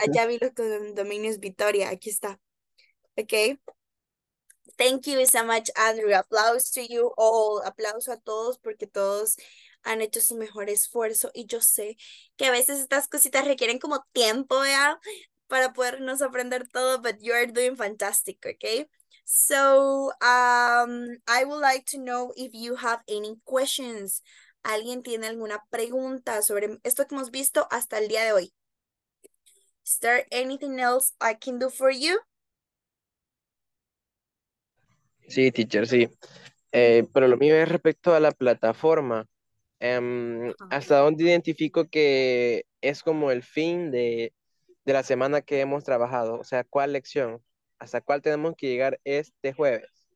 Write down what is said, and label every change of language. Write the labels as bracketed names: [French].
[Spanish] Allá vi los condominios Victoria. Aquí está. Okay. [English] Thank you so much, Andrew. Applause to you all. [Spanish] Aplauso a todos porque todos han hecho su mejor esfuerzo. Y yo sé que a veces estas cositas requieren como tiempo, ¿ya? Para podernos aprender todo. [English] But you are doing fantastic, okay? So, I would like to know if you have any questions. [Spanish] ¿Alguien tiene alguna pregunta sobre esto que hemos visto hasta el día de hoy? [English] Is there anything else I can do for you? [Spanish] Sí, teacher, sí. Pero lo mío es respecto a la plataforma. ¿Hasta dónde identifico que es como el fin de la semana que hemos trabajado? O sea, ¿cuál lección? ¿Hasta cuál tenemos que llegar este jueves?